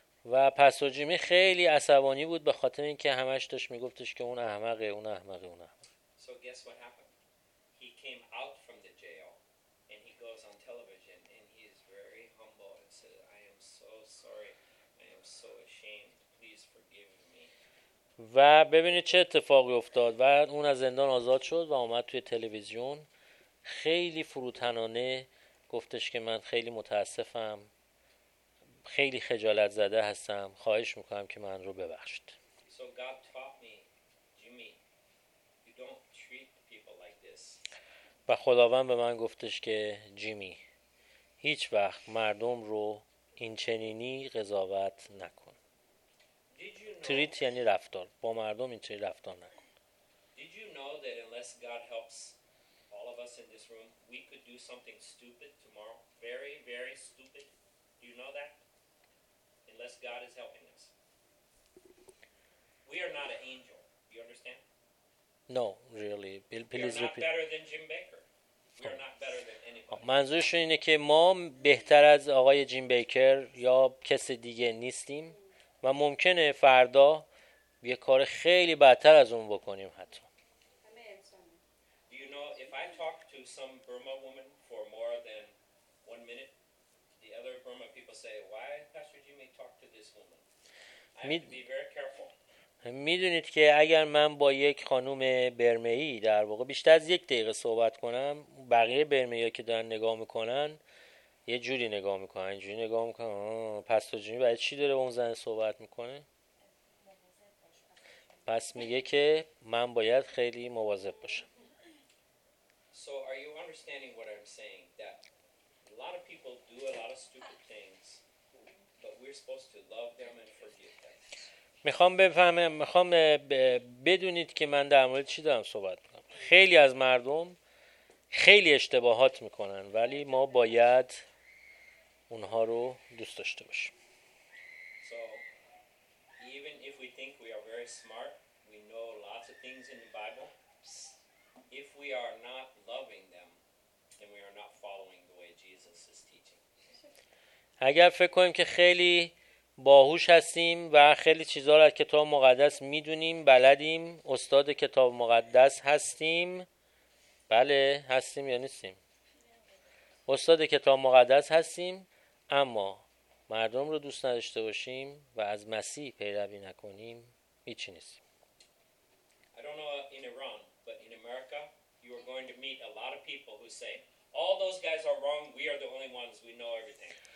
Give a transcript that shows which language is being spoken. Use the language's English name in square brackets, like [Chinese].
[Persian] و پاستور جیمی خیلی عصبانی بود به خاطر اینکه همش داشت میگفتش که اون احمقه، اون احمقه، اون احمق. [English] So guess what happened? He came out from the jail and he goes on television and he is very humble and said, I am so sorry. I am so ashamed. Please forgive me. [Persian] و ببینید چه اتفاقی افتاد. و اون از زندان آزاد شد و اومد توی تلویزیون خیلی فروتنانه گفتش که من خیلی متاسفم. خیلی خجالت زده هستم. خواهش میکنم که من رو ببخشید. [English] So God taught me, Jimmy, you don't treat people like this. [Persian] و خداوند به من گفتش که جیمی، هیچ وقت مردم رو این چنینی قضاوت نکن. تریت یعنی رفتار. با مردم این چنینی رفتار نکن. [English] Did you know that unless God helps all of us in this room, we could do something stupid tomorrow? Very, very stupid. Do you know that? Unless God is helping us. We are not an angel. Do you understand? No, really. Please repeat. We are not better than Jim Baker. We are not better than anybody. [Persian] منظورشون اینه که ما بهتر از آقای جیم بیکر یا کسی دیگه نیستیم و ممکنه فردا یه کار خیلی بدتر از اون بکنیم حتی. [English] Do you know if I talk to some Burma woman for more than one minute, the other Burma people say, why Pastor Jimmy talk to this woman? I have to be very careful. [Persian] میدونید که اگر من با یک خانوم برمه‌ای در واقع بیشتر از یک دقیقه صحبت کنم، بقیه برمه‌ای‌ها که دارن نگاه میکنن یه جوری نگاه میکنن، اینجوری نگاه میکنن، پس تو جیمی برای چی داره با اون زن صحبت میکنه؟ پس میگه که من باید خیلی مواظب باشم. [English] So are you understanding what I'm saying? That a lot of people do a lot of stupid things, but we're supposed to love them and forgive them. [Persian] میخوام بفهمم، میخوام بدونید که من در مورد چی دارم صحبت میکنم. خیلی از مردم خیلی اشتباهات میکنن ولی ما باید اونها رو دوست داشته باشیم. [English] So even if we think we are very smart, we know lots of things in the Bible. If we are not loving them, then we are not following the way Jesus is teaching. [Persian] اگر فکر کنیم که خیلی باهوش هستیم و خیلی چیزها را از کتاب مقدس میدونیم، بلدیم، استاد کتاب مقدس هستیم، بله هستیم یا نیستیم؟ استاد کتاب مقدس هستیم اما مردم رو دوست نداشته باشیم و از مسیح پیروی نکنیم هیچی نیستیم. [English] I don't know in Iran, but in America you are going to meet a lot of people who say all those guys are wrong, we are the only ones, we know everything.